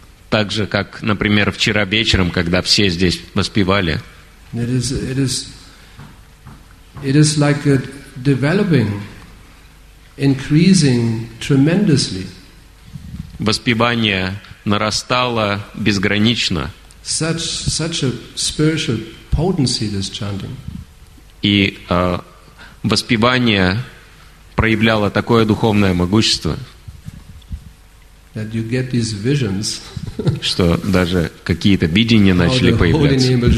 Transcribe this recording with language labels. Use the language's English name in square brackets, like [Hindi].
[Russian] Так же, как, например, вчера вечером, когда все здесь воспевали. [English] It is like a developing, increasing tremendously. [Russian] Воспевание нарастало безгранично. [English] Such a spiritual potency this chanting. [Russian] И воспевание проявляло такое духовное могущество. [English] That you get these visions. [Russian] Что даже какие-то видения начали появляться.